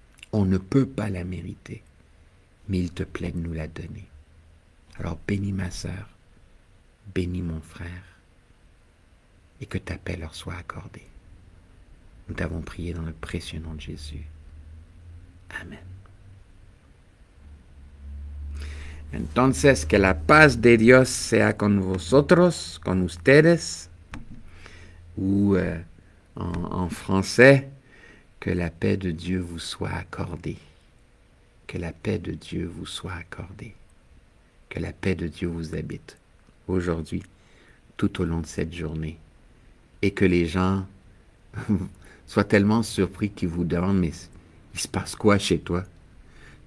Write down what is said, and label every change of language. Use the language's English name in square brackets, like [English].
[French] On ne peut pas la mériter, mais il te plaît de nous la donner. Alors bénis ma sœur, bénis mon frère, et que ta paix leur soit accordée. Nous t'avons prié dans le précieux nom de Jésus. Amen. [Spanish] Entonces, que la paz de Dios sea con vosotros, con ustedes, [French] ou en français... Que la paix de Dieu vous soit accordée. Que la paix de Dieu vous soit accordée. Que la paix de Dieu vous habite aujourd'hui, tout au long de cette journée. Et que les gens soient tellement surpris qu'ils vous demandent « Mais il se passe quoi chez toi ?»